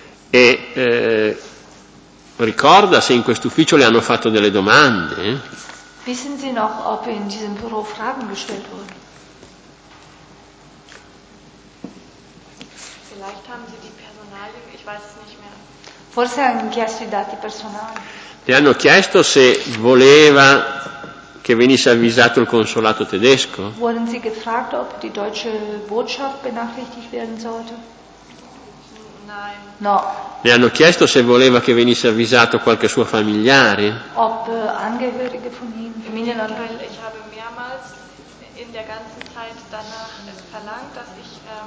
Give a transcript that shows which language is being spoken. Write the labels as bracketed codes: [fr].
[it] E ricorda se in quest'ufficio le hanno fatto delle domande? [de] Wissen Sie noch, ob in diesem Büro Fragen gestellt wurden? Vielleicht haben Sie die Personalie, ich weiß es nicht mehr. [it] Forse hanno chiesto i dati personali. Le hanno chiesto se voleva che venisse avvisato il consolato tedesco? [de] Wurden Sie gefragt, ob die deutsche Botschaft benachrichtigt werden sollte? Nein. [it] No. Le hanno chiesto se voleva che venisse avvisato qualche suo familiare? [de] Ob Angehörige von ihm, Familienangehörige? Ich habe mehrmals in der ganzen Zeit danach verlangt, dass ich